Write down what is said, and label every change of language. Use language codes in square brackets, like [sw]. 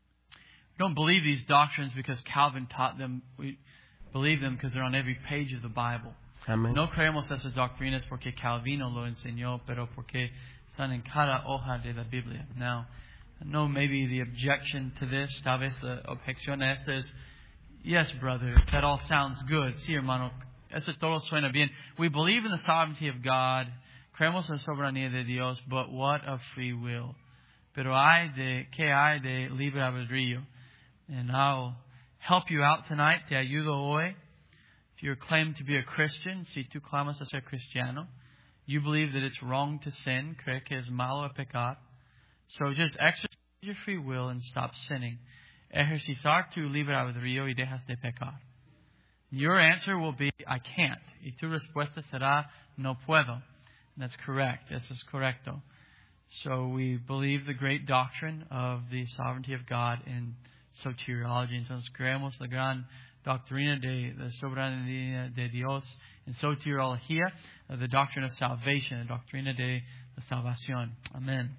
[en] We don't believe these doctrines because Calvin taught them. Believe them because they're on every page of the Bible. Amen. [es] No creemos esas doctrinas porque Calvino lo enseñó, pero porque están en cada hoja de la Biblia. [en] Now, I know maybe the objection to this, [es] tal vez la objeción a esta es, [en] yes, brother, that all sounds good. [es] Sí, hermano, eso todo suena bien. [en] We believe in the sovereignty of God, [es] creemos en la soberanía de Dios, [en] but what of free will? [es] Pero hay de, ¿qué hay de libre albedrío? [en] And now, help you out tonight, [es] te ayudo hoy. [en] If you claim to be a Christian, [es] si tú clamas a ser cristiano, [en] you believe that it's wrong to sin, [es] cree que es malo a pecar. [en] So just exercise your free will and stop sinning. [es] Ejercitar tu libre albedrío y dejas de pecar. [en] Your answer will be, I can't. [es] Y tu respuesta será, no puedo. [en] And that's correct. [es] Eso es correcto. [en] So we believe the great doctrine of the sovereignty of God in soteriology. [es] Entonces creemos la gran doctrina de la soberanía de Dios en soteriología, [en] the doctrine of salvation, [es] la doctrina de la salvación. Amen.